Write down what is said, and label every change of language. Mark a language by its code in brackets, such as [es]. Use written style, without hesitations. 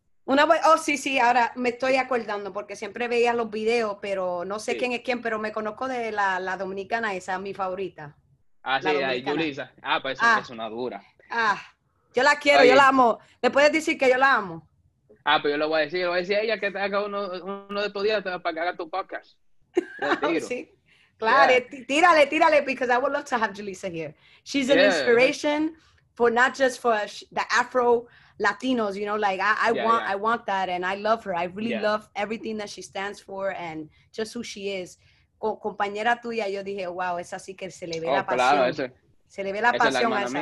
[es] Una abuela, oh, sí, ahora me estoy acordando porque siempre veía los videos, pero no sé quién es quién, pero me conozco de la dominicana, esa es mi favorita. Ah, sí, Yulisa. Ah, pues esa es una dura. Ah, yo la quiero, yo la amo. ¿Le puedes decir que yo la amo? Ah, pero yo le voy a decir. Le voy a decir a ella que te haga uno de estos días para que haga tu podcast. Sí. Claro, yeah. Tírale, [en] because I would love to have Julissa here. She's an inspiration for not just for the Afro Latinos, you know, like I want that and I love her. I really love everything that she stands for and just who she is. [es] Compañera tuya, yo dije, wow, esa sí que se le ve la pasión. Claro, se le ve la pasión a esa.